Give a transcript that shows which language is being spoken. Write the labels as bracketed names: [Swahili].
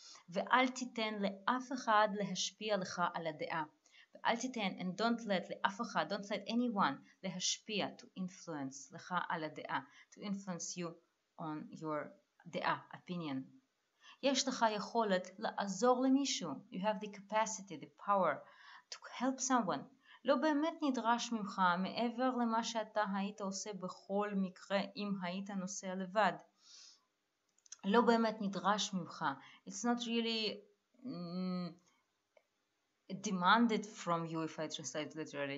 [Hebrew] ואל תיתן לאף אחד להשפיע לך על הדעה. ואל תיתן, [English] and don't let [Hebrew] לאף אחד, [English] don't let anyone [Hebrew] להשפיע, [English] to influence [Hebrew] לך על הדעה, [English] to influence you on your דעה, opinion. [Hebrew] יש לך יכולת לעזור למישהו. [English] You have the capacity, the power, to help someone. [Hebrew] לא באמת נדרש ממך מעבר למה שאתה היית עושה בכל מקרה אם היית נוסע לבד. לא באמת נדרש ממך. [English] It's not really demanded from you, if I translate literally.